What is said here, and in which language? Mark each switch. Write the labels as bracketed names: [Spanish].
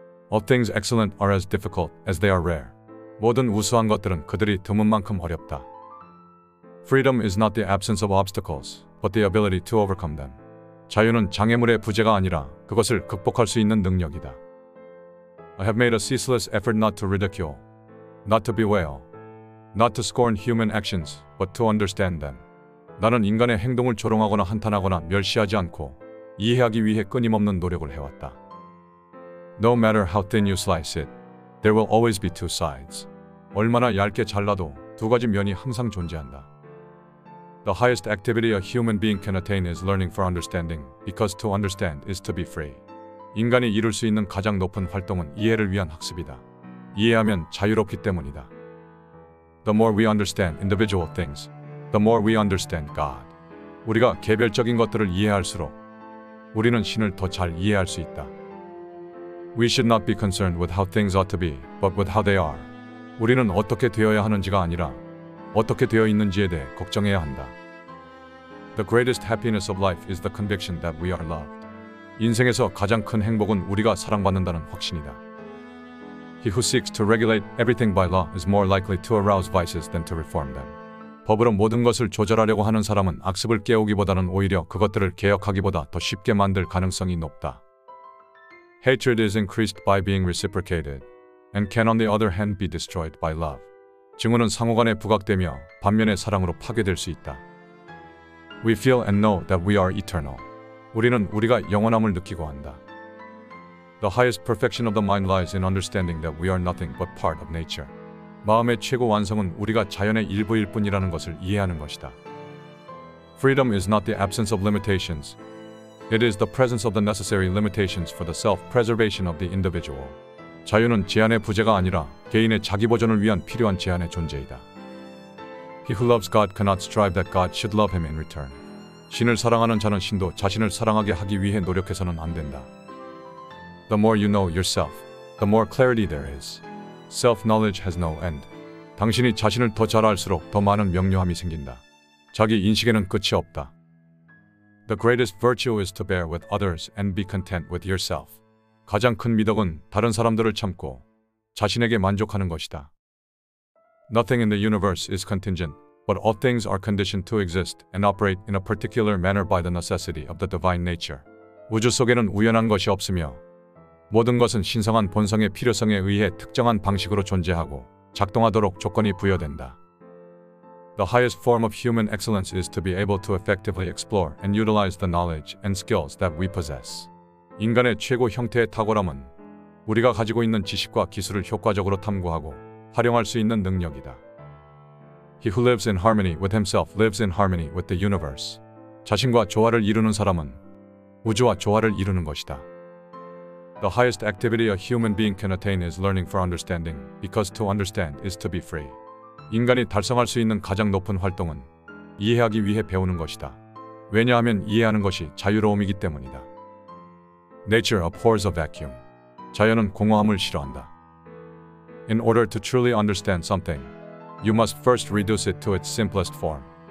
[English] All things excellent are as difficult as they are rare. [Korean] 모든 우수한 것들은 그들이 드문 만큼 어렵다. [English] Freedom is not the absence of obstacles, but the ability to overcome them. [Korean] 자유는 장애물의 부재가 아니라 그것을 극복할 수 있는 능력이다. [English] I have made a ceaseless effort not to ridicule, not to bewail, not to scorn human actions, but to understand them. [Korean] 나는 인간의 행동을 조롱하거나 한탄하거나 멸시하지 않고 이해하기 위해 끊임없는 노력을 해왔다. [English] No matter how thin you slice it, there will always be two sides. [Korean] 얼마나 얇게 잘라도 두 가지 면이 항상 존재한다. [English] The highest activity a human being can attain is learning for understanding, because to understand is to be free. [Korean] 인간이 이룰 수 있는 가장 높은 활동은 이해를 위한 학습이다. 이해하면 자유롭기 때문이다. [English] The more we understand individual things, the more we understand God. [Korean] 우리가 개별적인 것들을 이해할수록 우리는 신을 더 잘 이해할 수 있다. [English] We should not be concerned with how things ought to be, but with how they are. [Korean] 우리는 어떻게 되어야 하는지가 아니라 어떻게 되어 있는지에 대해 걱정해야 한다. [English] The greatest happiness of life is the conviction that we are loved. [Korean] 인생에서 가장 큰 행복은 우리가 사랑받는다는 확신이다. [English] He who seeks to regulate everything by law is more likely to arouse vices than to reform them. [Korean] 법으로 모든 것을 조절하려고 하는 사람은 악습을 깨우기보다는 오히려 그것들을 개혁하기보다 더 쉽게 만들 가능성이 높다. [English] Hatred is increased by being reciprocated, and can on the other hand be destroyed by love. [Korean] 증오는 상호간에 부각되며 반면에 사랑으로 파괴될 수 있다. [English] We feel and know that we are eternal. [Korean] 우리는 우리가 영원함을 느끼고 한다. [English] The highest perfection of the mind lies in understanding that we are nothing but part of nature. [Korean] 마음의 최고 완성은 우리가 자연의 일부일 뿐이라는 것을 이해하는 것이다. [English] Freedom is not the absence of limitations. It is the presence of the necessary limitations for the self-preservation of the individual. [Korean] 자유는 제한의 부재가 아니라 개인의 자기 보존을 위한 필요한 제한의 존재이다. [English] He who loves God cannot strive that God should love him in return. [Korean] 신을 사랑하는 자는 신도 자신을 사랑하게 하기 위해 노력해서는 안 된다. [English] The more you know yourself, the more clarity there is. Self-knowledge has no end. [Korean] 당신이 자신을 더 잘 알수록 더 많은 명료함이 생긴다. 자기 인식에는 끝이 없다. [English] The greatest virtue is to bear with others and be content with yourself. [Korean] 가장 큰 미덕은 다른 사람들을 참고 자신에게 만족하는 것이다. [English] Nothing in the universe is contingent, but all things are conditioned to exist and operate in a particular manner by the necessity of the divine nature. [Korean] 우주 속에는 우연한 것이 없으며 모든 것은 신성한 본성의 필요성에 의해 특정한 방식으로 존재하고 작동하도록 조건이 부여된다. [English] The highest form of human excellence is to be able to effectively explore and utilize the knowledge and skills that we possess. [Korean] 인간의 최고 형태의 탁월함은 우리가 가지고 있는 지식과 기술을 효과적으로 탐구하고 활용할 수 있는 능력이다. [English] He who lives in harmony with himself lives in harmony with the universe. [Korean] 자신과 조화를 이루는 사람은 우주와 조화를 이루는 것이다. [English] The highest activity a human being can attain is learning for understanding, because to understand is to be free. [Korean] 인간이 달성할 수 있는 가장 높은 활동은 이해하기 위해 배우는 것이다. 왜냐하면 이해하는 것이 자유로움이기 때문이다. [English] Nature abhors a vacuum. [Korean] 자연은 공허함을 싫어한다. [English] In order to truly understand something, you must first reduce it to its simplest form.